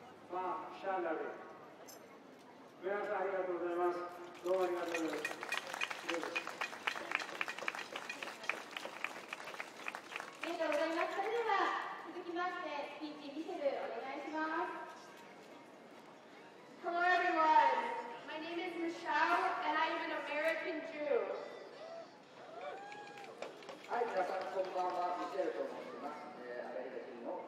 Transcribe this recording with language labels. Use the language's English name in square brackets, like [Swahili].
[Japanese] まあ、シャーラで。皆さん、ありがとうございます。どうもありがとうございます。ありがとうございます。それでは、続きまして、スピーチ、ミシェル、お願いします。 [English] Hello, everyone. My name is Michelle, and I am an American Jew. [Japanese] はい、皆さん、こんばんは。ミシェルと申します。